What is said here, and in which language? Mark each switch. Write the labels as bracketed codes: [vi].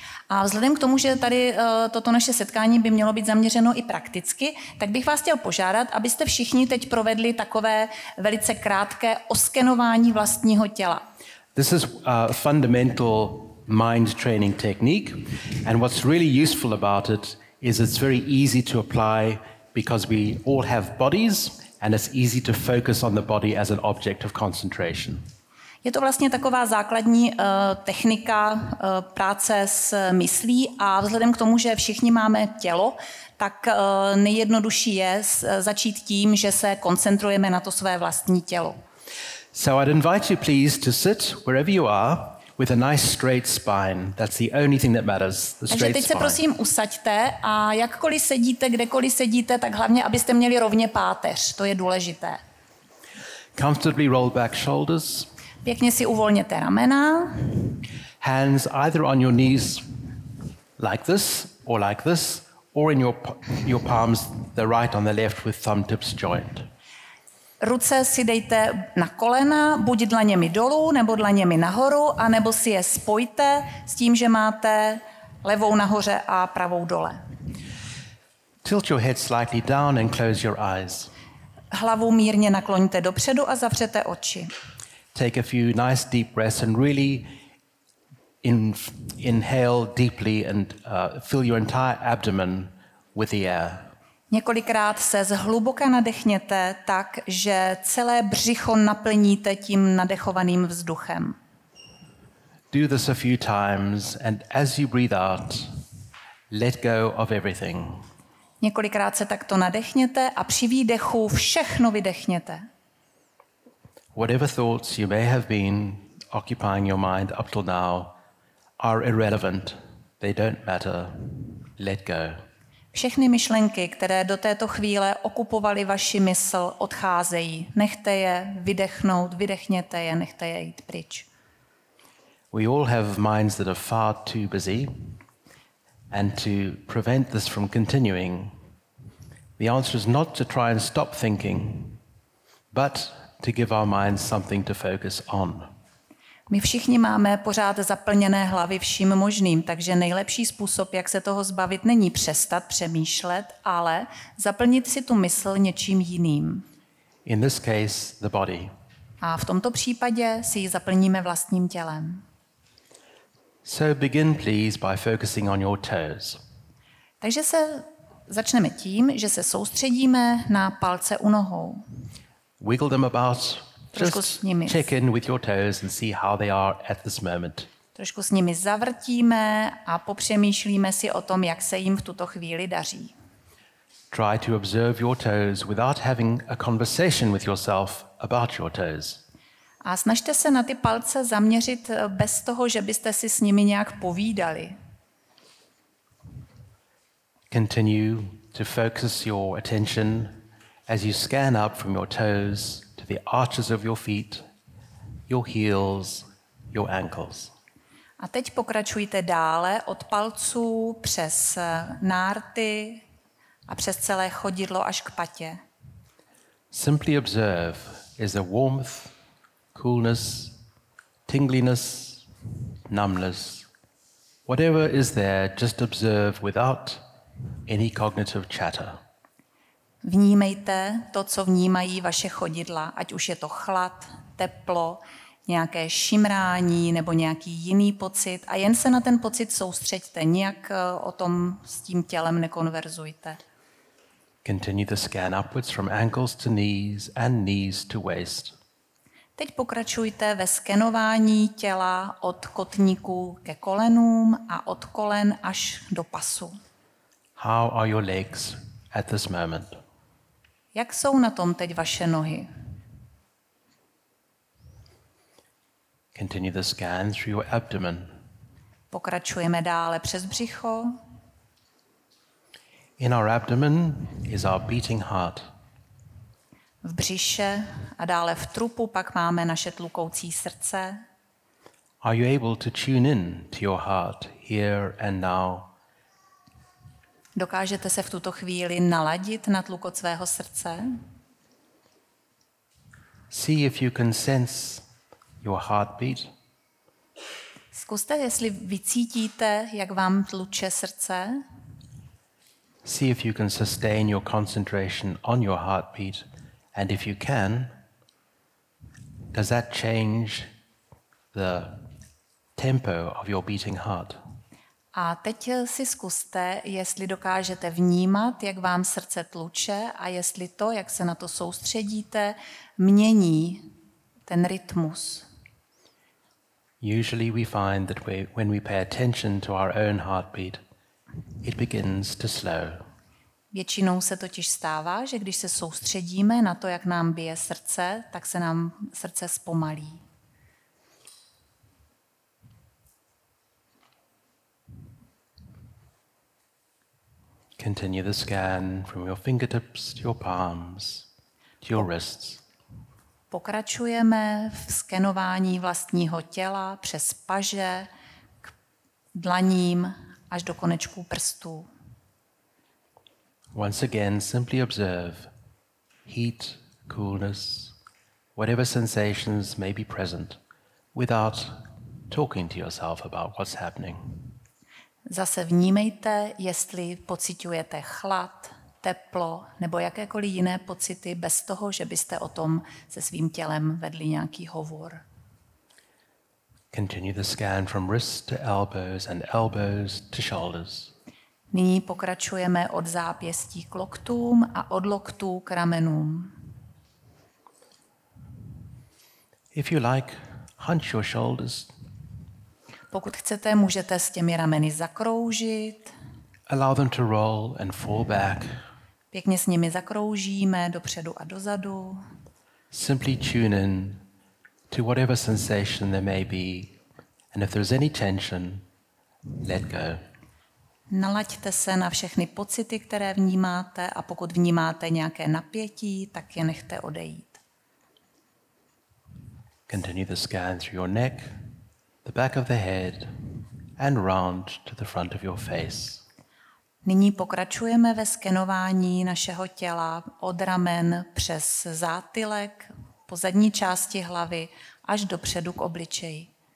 [cs] A vzhledem k tomu, že tady toto naše setkání by mělo být zaměřeno i prakticky, tak bych vás chtěl požádat, abyste všichni teď provedli takové velice krátké oskenování vlastního těla. [en] This is a fundamental mind training technique, and what's really useful about it is it's very easy to apply because we all have bodies and it's easy to focus on the body as an object of concentration. [cs] Je to vlastně taková základní technika práce s myslí a vzhledem k tomu, že všichni máme tělo, tak nejjednodušší je začít tím, že se koncentrujeme na to své vlastní tělo. [en] So I'd invite you please to sit wherever you are with a nice straight spine. That's the only thing that matters, the straight spine. [cs] Takže teď se prosím usaďte a jakkoliv sedíte, kdekoliv sedíte, tak hlavně, abyste měli rovně páteř. To je důležité. [en] Comfortably roll back shoulders. [cs] Pěkně si uvolněte ramena. [en] Hands either on your knees like this or or in your palms, the right on the left, with thumb tips joined. [cs] Ruce si dejte na kolena, buď dlaněmi dolů, nebo dlaněmi nahoru, a nebo si je spojte s tím, že máte levou nahoře a pravou dole. [en] Tilt your head slightly down and close your eyes. [cs] Hlavu mírně nakloňte dopředu a zavřete oči. [en] Take a few nice deep breaths and really inhale deeply and fill your entire abdomen with the air. [cs] Několikrát se zhluboka nadechněte tak, že celé břicho naplníte tím nadechovaným vzduchem. [en] Do this a few times and as you breathe out, let go of everything. [cs] Několikrát se takto nadechněte a při výdechu všechno vydechněte. [en] Whatever thoughts you may have been occupying your mind up till now are irrelevant. They don't matter. Let go. [cs] Všechny myšlenky, které do této chvíle okupovaly vaši mysl, odcházejí. Nechte je vydechnout, vydechněte je, nechte je jít pryč. [en] We all have minds that are far too busy. And to prevent this from continuing, the answer is not to try and stop thinking, but to give our minds something to focus on. [cs] My všichni máme pořád zaplněné hlavy vším možným, takže nejlepší způsob, jak se toho zbavit, není přestat přemýšlet, ale zaplnit si tu mysl něčím jiným. [en] In this case, the body. [cs] A v tomto případě si ji zaplníme vlastním tělem. [en] So begin please by focusing on your toes. [cs] Takže se začneme tím, že se soustředíme na palce u nohou. [en] Wiggle them about. Just check in with your toes and see how they are at this moment. [cs] Trošku s nimi zavrtíme a popřemýšlíme si o tom, jak se jim v tuto chvíli daří. [en] Try to observe your toes without having a conversation with yourself about your toes. [cs] A snažte se na ty palce zaměřit bez toho, že byste si s nimi nějak povídali. [en] Continue to focus your attention as you scan up from your toes to the arches of your feet, your heels, your ankles. [cs] A teď pokračujte dále od palců přes nárty a přes celé chodidlo až k patě. [en] Simply observe is a warmth, coolness, tingliness, numbness. Whatever is there, just observe without any cognitive chatter. [cs] Vnímejte to, co vnímají vaše chodidla, ať už je to chlad, teplo, nějaké šimrání nebo nějaký jiný pocit, a jen se na ten pocit soustřeďte, nijak o tom s tím tělem nekonverzujte. [en] Continue the scan upwards from ankles to knees and knees to waist. [cs] Teď pokračujte ve skenování těla od kotníků ke kolenům a od kolen až do pasu. [en] How are your legs at this moment? [cs] Jak jsou na tom teď vaše nohy? [en] Continue the scan through your abdomen. [cs] Pokračujeme dále přes břicho. [en] In our abdomen is our beating heart. [cs] V břiše a dále v trupu pak máme naše tlukoucí srdce. [en] Are you able to tune in to your heart here and now? [cs] Dokážete se v tuto chvíli naladit na tlukot svého srdce? [en] See if you can sense your heartbeat. [cs] Zkuste, jestli vycítíte, jak vám tluče srdce. [en] See if you can sustain your concentration on your heartbeat. And if you can, does that change the tempo of your beating heart? [cs] A teď si zkuste, jestli dokážete vnímat, jak vám srdce tluče, a jestli to, jak se na to soustředíte, mění ten rytmus. [en] Usually we find that when we pay attention to our own heartbeat, it begins to slow. [cs] Většinou se totiž stává, že když se soustředíme na to, jak nám bije srdce, tak se nám srdce zpomalí. [en] Continue the scan from your fingertips to your palms to your wrists. [cs] Pokračujeme v skenování vlastního těla přes paže k dlaním až do konečků prstů. [en] Once again, simply observe heat, coolness, whatever sensations may be present, without talking to yourself about what's happening. [cs] Zase vnímejte, jestli pociťujete chlad, teplo nebo jakékoliv jiné pocity bez toho, že byste o tom se svým tělem vedli nějaký hovor. [en] Continue the scan from wrists to elbows and elbows to shoulders. [cs] Nyní pokračujeme od zápěstí k loktům a od loktů k ramenům. [en] If you like, hunch your shoulders. [cs] Pokud chcete, můžete s těmi rameny zakroužit. [en] Allow them to roll and fall back. [cs] Pěkně s nimi zakroužíme dopředu a dozadu. [en] Simply tune in to whatever sensation there may be, and if there's any tension, let go. [cs] Nalaďte se na všechny pocity, které vnímáte, a pokud vnímáte nějaké napětí, tak je nechte odejít. [en] Continue the scan through your neck, the back of the head, and round to the front of your face. [cs] Nyní pokračujeme ve skenování našeho těla od ramen přes zátylek, po zadní části hlavy až dopředu k obličeji.